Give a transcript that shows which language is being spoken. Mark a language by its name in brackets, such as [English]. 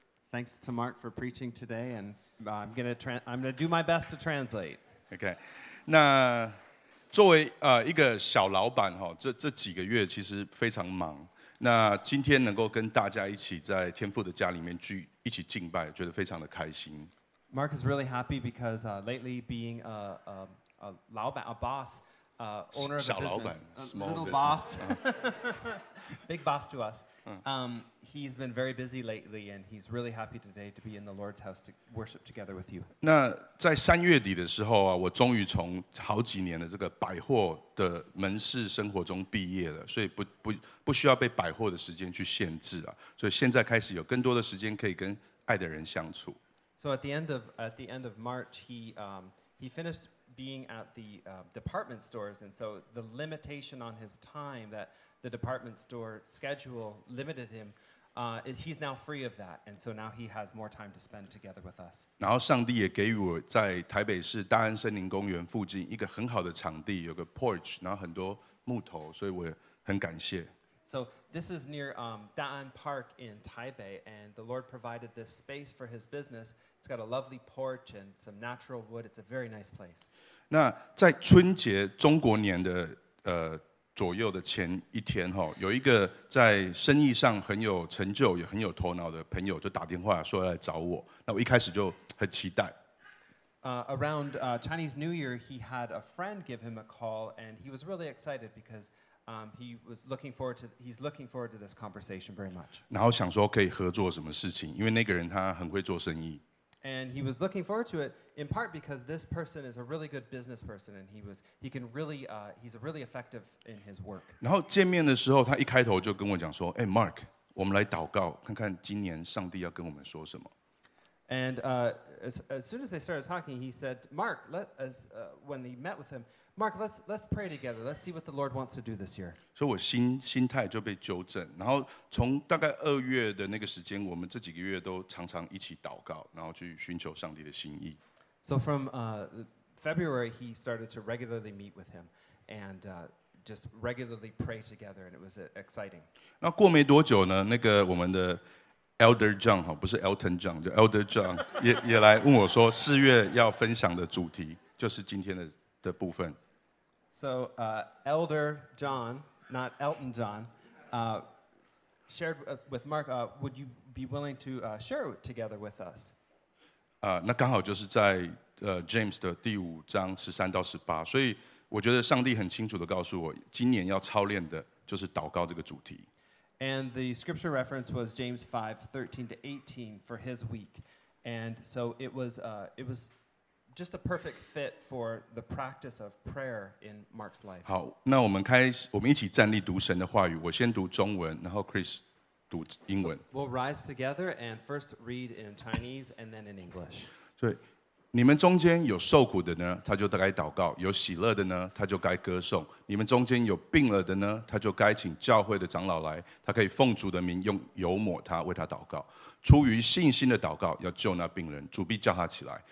[English] Thanks to Mark for preaching today, and I'm gonna do my best to translate. Okay. [Chinese] 那作为一个小老板哈，这几个月其实非常忙。那今天能够跟大家一起在天父的家里面聚。一起敬拜，觉得非常的开心。 [English] Mark is really happy because lately being a 老板 a boss, owner of a business, [Chinese] 小老板 [English] small little business. boss, big boss to us. He's been very busy lately, and he's really happy today to be in the Lord's house to worship together with you. [Chinese] 那在三月底的时候啊，我终于从好几年的这个百货的门市生活中毕业了，所以不需要被百货的时间去限制啊，所以现在开始有更多的时间可以跟爱的人相处。 [English] So at the end of March, he finished being at the department stores, and so the limitation on his time that the department store schedule limited him. He's now free of that, and so now he has more time to spend together with us. [Chinese] 然后上帝也给予我在台北市大安森林公园附近一个很好的场地，有个 porch， 然后很多木头，所以我很感谢。 [English] So this is near Da An Park in Taipei, and the Lord provided this space for his business. It's got a lovely porch and some natural wood. It's a very nice place. [Chinese] 那在春节中国年的左右的前一天，有一个在生意上很有成就也很有头脑的朋友就打电话说要来找我，那我一开始就很期待。 [English] Around Chinese New Year, he had a friend give him a call, and he was really excited because he's looking forward to this conversation very much. [Chinese] 然后想说可以合作什么事情，因为那个人他很会做生意。 [English] And he was looking forward to it in part because this person is a really good business person, and he's really effective in his work. [Chinese] 然后见面的时候，他一开头就跟我讲说：“哎 ，Mark， 我们来祷告，看看今年上帝要跟我们说什么。” [English] And as soon as they started talking, he said, "Mark, when he met with him, Mark, let's pray together. Let's see what the Lord wants to do this year." [Chinese] 所以我心态就被纠正。然后从大概二月的那个时间，我们这几个月都常常一起祷告，然后去寻求上帝的心意。 [English] So from February, he started to regularly meet with him, and just regularly pray together, and it was exciting. [Chinese] 那过没多久呢？那个我们的Elder John 哈，不是 Elton John， 就 Elder John 也来问我说，四月要分享的主题就是今天的部分。 [English] So Elder John, not Elton John, shared with Mark, would you be willing to share it together with us? [Chinese] 那刚好就是在James 的第五章十三到十八，所以我觉得上帝很清楚的告诉我，今年要操练的就是祷告这个主题。 [English] And the scripture reference was James 5:13-18 for his week. And so it was just a perfect fit for the practice of prayer in Mark's life. [Chinese] 好，那我们一起站立读神的话语。我先读中文，然后 Chris 读英文。 [English] So we'll rise together and first read in Chinese and then in English. [Chinese] 所以你们中间有受苦的呢，他就该祷告；有喜乐的呢，他就该歌颂；你们中间有病了的呢，他就该请教会的长老来，他可以奉主的名用油抹他，为他祷告。出于信心的祷告要救那病人，主必叫他起来。